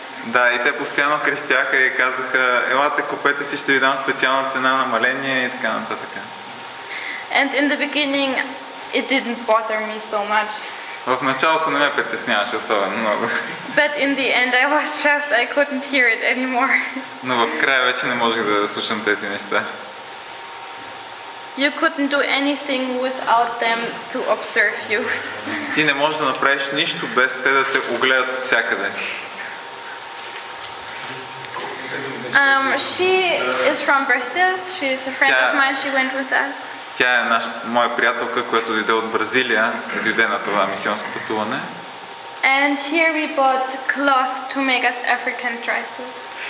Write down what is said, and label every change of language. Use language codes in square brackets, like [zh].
[bg] Да, и те постоянно крещяха и казаха, елате, купете си, ще ви дам специална цена, намаление и така нататък. [en] And in the beginning, it didn't bother me so much. [bg] В началото не ме притесняваше особено много. [en] But in the end I was just I couldn't hear it anymore. [bg] Но в края вече не можех да слушам тези неща. [en] You couldn't do anything without them to observe you. [bg] Ти не можеш да направиш нищо без те да те огледат всякъде. [en] She is from Brazil. She is a friend of mine. She went with us. [bg] Тя е моя приятелка, която дойде от Бразилия, дойде на това мисионско пътуване. [en] And here we bought cloth to make us African dresses.